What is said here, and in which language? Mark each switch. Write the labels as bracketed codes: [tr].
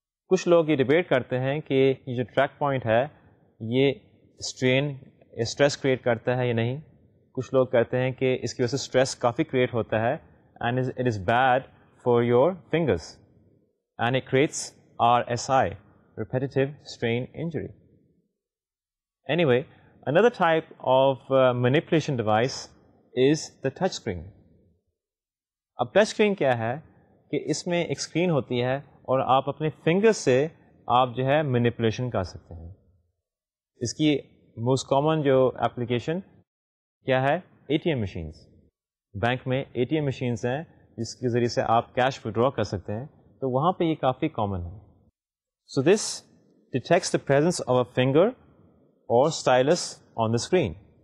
[ur] کچھ لوگ یہ ڈبیٹ کرتے ہیں کہ یہ جو ٹریک پوائنٹ ہے یہ اسٹرین اسٹریس کریٹ کرتا ہے یا نہیں کچھ لوگ کہتے ہیں کہ اس کی وجہ سے اسٹریس کافی کریٹ ہوتا ہے [en] and it is bad for your fingers and it creates [ur] RSI, Repetitive Strain Injury. [en] Anyway, another type of manipulation device is the touch screen. [ur] اب ٹچ اسکرین کیا ہے کہ اس میں ایک اسکرین ہوتی ہے اور آپ اپنے فنگر سے آپ جو ہے مینیپولیشن کر سکتے ہیں اس کی موسٹ کامن جو اپلیکیشن کیا ہے A T M machines bank میں اے ٹی ایم مشینس ہیں جس کے ذریعے سے آپ کیش وڈرا کر سکتے ہیں تو وہاں پہ یہ کافی کامن ہے [en] So this detects the presence of a finger or stylus on the screen.